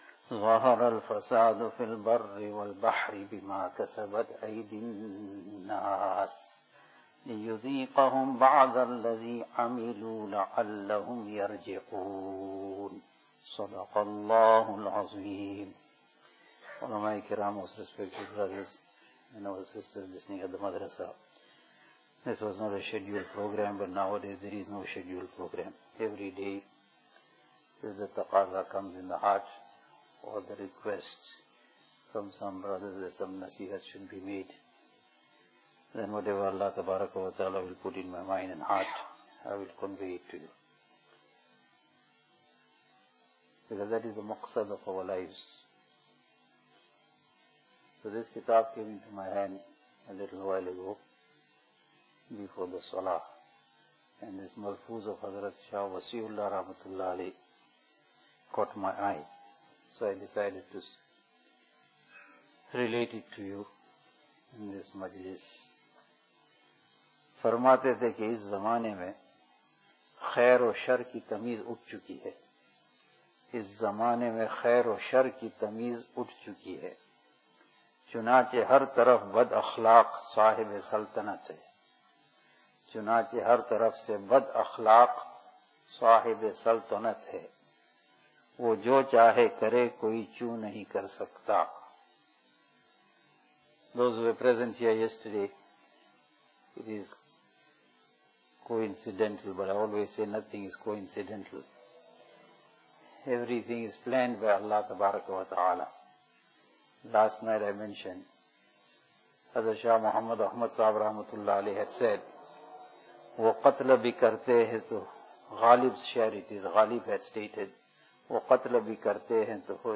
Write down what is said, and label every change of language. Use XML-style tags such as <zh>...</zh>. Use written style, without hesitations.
<ar>ظهر الفساد في البر والبحر بما كسبت أيدي الناس ليذيقهم بعض الذي عملوا لعلهم يرجعون. صدق الله العظيم. علماء الكرام،</ar> <en>most respected brothers and our sisters listening at the madrasa, this was not a scheduled program, but nowadays there is no scheduled program. Every day, there's a taqaza comes in the heart, or the request from some brothers that some nasihat should be made. Then whatever Allah tabaraka wa ta'ala will put in my mind and heart, I will convey it to you. Because that is the maqsad of our lives. So this kitab came into my hand a little while ago, before the salah. And this malfooz of Hazrat Shah Wasiullah rahmatullah alayh caught my eye. So I decided to relate it to you in this majlis.</en> <ur>فرماتے تھے کہ اس زمانے میں خیر و شر کی تمیز اٹھ چکی ہے، اس زمانے میں خیر و شر کی تمیز اٹھ چکی ہے، چنانچہ ہر طرف بد اخلاق صاحب سلطنت ہے، چنانچہ ہر طرف سے بد اخلاق صاحب سلطنت ہے، وہ جو چاہے کرے کوئی چوں نہیں کر سکتا.</ur> <en>Those were present here yesterday. It is coincidental, but I always say nothing is coincidental. Everything is planned by Allah tabaraka wa ta'ala. Last night I mentioned, Hazrat Shah Muhammad Ahmad Sahib rahmatullah alayhi had said,</en> <ur>wo qatl bhi karte hai to ghalib shair,</ur> <en>it is ghalib had stated,</en> <ur>وہ قتل بھی کرتے ہیں تو</ur>